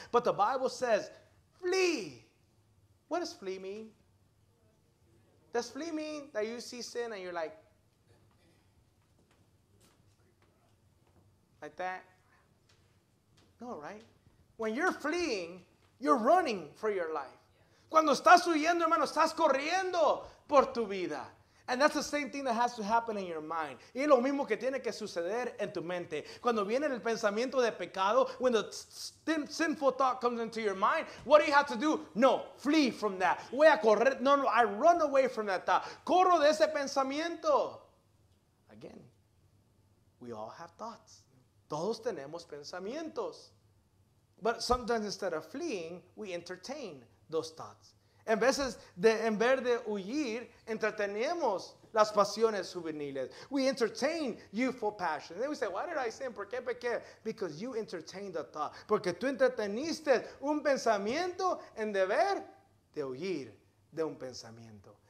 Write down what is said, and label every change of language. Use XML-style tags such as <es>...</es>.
<en>But the Bible says, flee. What does flee mean? Does flee mean that you see sin and you're like, like that? No, right? When you're fleeing, you're running for your life.</en> <es>Cuando estás huyendo, hermano, estás corriendo por tu vida.</es> <en>And that's the same thing that has to happen in your mind.</en> <es>Y lo mismo que tiene que suceder en tu mente. Cuando viene el pensamiento de pecado,</es> <en>when the sinful thought comes into your mind, what do you have to do? No, flee from that.</en> <es>Voy a correr.</es> <en>No, I run away from that thought.</en> <es>Corro de ese pensamiento.</es> <en>Again, we all have thoughts.</en> <es>Todos tenemos pensamientos.</es> <en>But sometimes instead of fleeing, we entertain those thoughts.</en> <es>En vez de huir, entretenemos las pasiones juveniles.</es> <en>We entertain youthful passions. Then we say, why did I sin?</en> <es>¿Por qué pequé?</es> <en>Because you entertained the thought.</en> <es>Porque tú entreteniste un pensamiento en deber de huir de un pensamiento.</es>